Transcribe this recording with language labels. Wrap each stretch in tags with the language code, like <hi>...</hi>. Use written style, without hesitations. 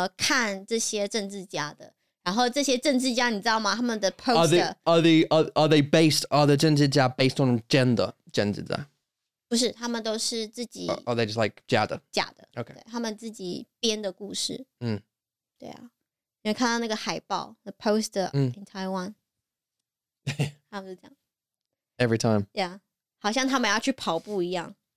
<zh>就是大家是怎么看这些政治家的 然后这些政治家你知道吗 他们的 poster</zh> <en>Are they based Are the 政治家 based on gender 政治家</en> <zh>不是 他们都是自己</zh> <en>Are they just like 假的</en> <zh>假的</zh> <en>Okay</en> <zh>对, 他们自己编的故事嗯对啊, 你有看到那个海报,</zh> <en>the poster in Taiwan.</en> <zh>他们是这样。</zh> <en>Every time. Yeah.</en> <zh>好像他们要去跑步一样。</zh>